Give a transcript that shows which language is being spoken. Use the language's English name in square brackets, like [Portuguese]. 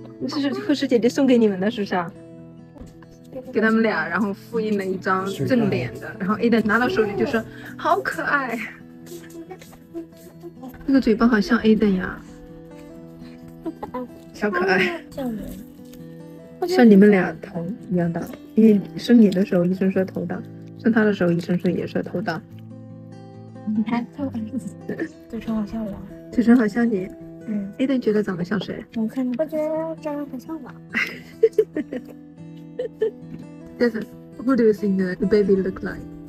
[English] I think she's saying, Angela, are you going to change diapers? I'm going to change diapers. Oh, great. Bye, thank you. Have a good day. Oh, [Chinese] 护士给他们俩一人弄了一张，我看一下你的，这是护士姐姐送给你们的，是不是？给他们俩，然后复印了一张正脸的，然后 Aiden 拿到手里就说好可爱，这个嘴巴好像 Aiden 呀，小可爱，像你们俩头一样大，因为生你的时候医生说头大，生他的时候医生说也说头大，你还凑合，嘴唇好像我，嘴唇好像你，嗯，Aiden 觉得长得像谁？我看你不觉得长得很像吗？ [English] Jason, who do you think the baby look like?